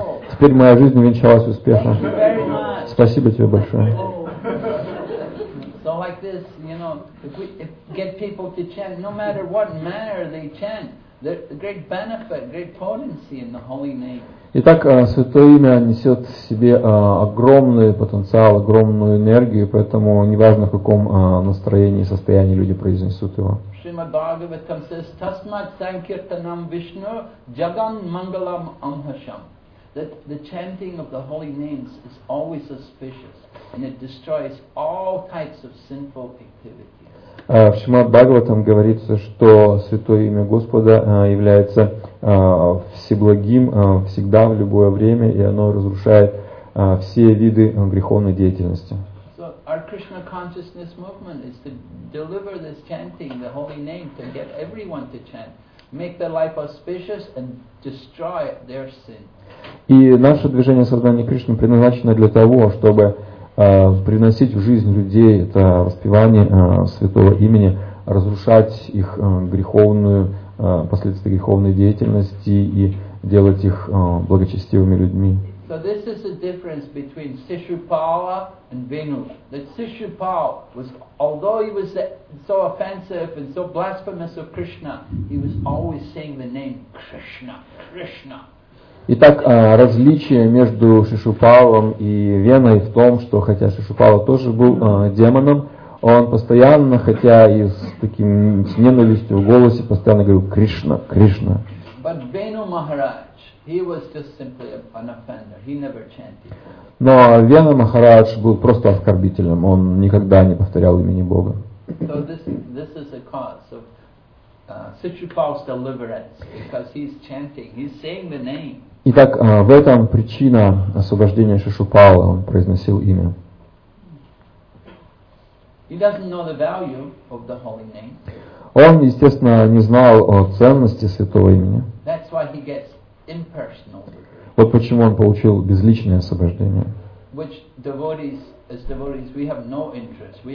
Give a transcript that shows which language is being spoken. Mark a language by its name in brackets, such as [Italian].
[Russian] Теперь моя жизнь увенчалась успехом. Спасибо тебе большое." [English] So like this, you know, if we if get people to chant, no matter what manner they chant, there's great benefit, great potency in the holy name. [Russian] Итак, святое имя несет в себе огромный потенциал, огромную энергию, поэтому неважно, в каком настроении и состоянии люди произнесут его. [Sanskrit] Шримад Бхагаватам [English] says, [Sanskrit] "Tasmat sankirtanam Vishnu jagam mangalam amhasham." [English] That the chanting of the holy names is always auspicious, and it destroys all types of sinful activities. [Russian] В Шримад Бхагаватам говорится, что святое имя Господа является всеблагим всегда, в любое время, и оно разрушает все виды греховной деятельности. [English] So our Krishna consciousness movement is to deliver this chanting, the holy name, to get everyone to chant, make their life auspicious and destroy their sin. [Russian] И наше движение сознания Кришны предназначено для того, чтобы приносить в жизнь людей это воспевание святого имени, разрушать их греховную, последствия греховной деятельности и делать их благочестивыми людьми. [English] So this is the difference between Sishupala and Venu. That Sishupal was, although he was so offensive and so blasphemous of Krishna, he was always saying the name Krishna, Krishna. [Russian] Итак, различие между Шишупалом и Веной в том, что хотя Шишупала тоже был демоном, он постоянно, хотя и с таким с ненавистью в голосе, постоянно говорил «Кришна, Кришна». [English] But Venu Maharaj, he was just simply an offender. He never chanted. [Russian] Но Вена Махарадж был просто оскорбителем. Он никогда не повторял имени Бога. [English] So this is a cause of Sishupal's deliverance, because he's chanting, he's saying the name. [Russian] Итак, в этом причина освобождения Шишупала, он произносил имя. [English] He doesn't know the value of the holy name. [Russian] Он, естественно, не знал о ценности святого имени. [English] That's why he gets impersonal deliverance. [Russian] Вот почему он получил безличное освобождение. [English] Which devotees, as devotees, we have no interest.